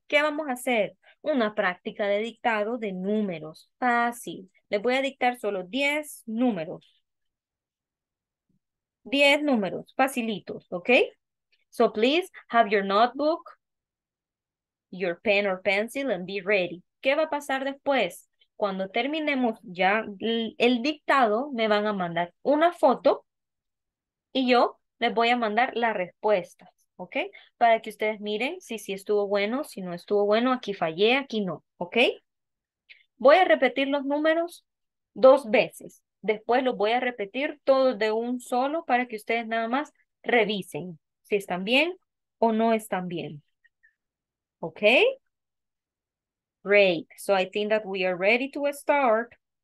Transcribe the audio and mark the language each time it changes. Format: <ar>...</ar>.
<es>¿Qué vamos a hacer? Una práctica de dictado de números. Fácil. Les voy a dictar solo 10 números. 10 números. Facilitos, okay?</es> <en>So please, have your notebook, your pen or pencil and be ready.</en> <es>¿Qué va a pasar después? Cuando terminemos ya el dictado, me van a mandar una foto y yo les voy a mandar las respuestas, ¿ok? Para que ustedes miren si estuvo bueno, si no estuvo bueno, aquí fallé, aquí no, ¿ok? Voy a repetir los números dos veces. Después los voy a repetir todos de un solo para que ustedes nada más revisen si están bien o no están bien.</es> <en>Okay, great. So I think that we are ready to start.</en>